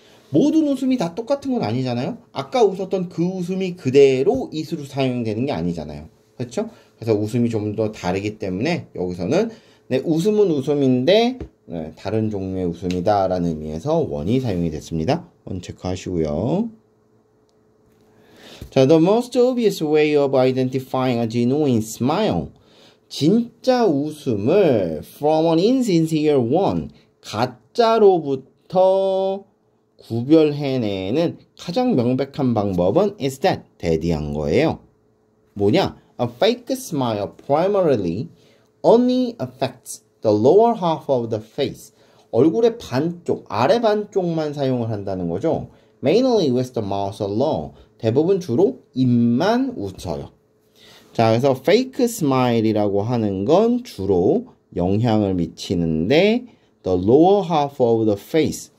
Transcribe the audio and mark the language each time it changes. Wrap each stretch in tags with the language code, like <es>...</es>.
<ko>모든 웃음이 다 똑같은 건 아니잖아요. 아까 웃었던 그 웃음이 그대로 is로 사용되는 게 아니잖아요. 그렇죠? 그래서 웃음이 좀더 다르기 때문에 여기서는 네, 웃음은 웃음인데 네, 다른 종류의 웃음이다라는 의미에서 원이 사용이 됐습니다. 원 체크하시고요.</ko> <en>자, the most obvious way of identifying a genuine smile.</en> <ko>진짜 웃음을</ko> <en>from an insincere one.</en> <ko>가짜로부터 구별해내는 가장 명백한 방법은</ko> <en>is that,</en> <ko>대디한 거예요. 뭐냐?</ko> <en>A fake smile primarily only affects the lower half of the face.</en> <ko>얼굴의 반쪽, 아래 반쪽만 사용을 한다는 거죠.</ko> <en>Mainly with the mouth alone.</en> <ko>대부분 주로 입만 웃어요. 자, 그래서 fake smile이라고 하는 건 주로 영향을 미치는데,</ko> <en>the lower half of the face.</en>